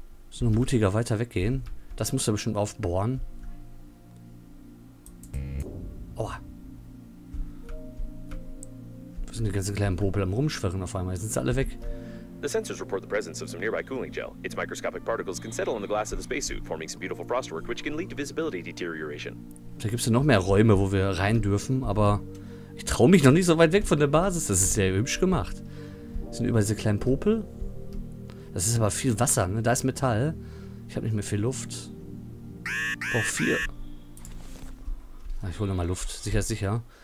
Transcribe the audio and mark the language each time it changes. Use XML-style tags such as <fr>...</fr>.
<de>So mutiger weiter weggehen. Das muss er bestimmt aufbohren. Aua. Wo sind die ganzen kleinen Popel am Rumschwirren auf einmal? Sind sie alle weg?</de> <en>The sensors report the presence of some nearby cooling gel. Its microscopic particles can settle on the glass of the spacesuit, forming some beautiful frostwork, which can lead to visibility deterioration.</en> <de>Da gibt es ja noch mehr Räume, wo wir rein dürfen, aber ich traue mich noch nicht so weit weg von der Basis. Das ist sehr hübsch gemacht. Das sind überall diese kleinen Popel. Das ist aber viel Wasser, ne? Da ist Metall. Ich habe nicht mehr viel Luft. Brauch vier. Ah, ich hole nochmal Luft. Sicher, sicher.</de>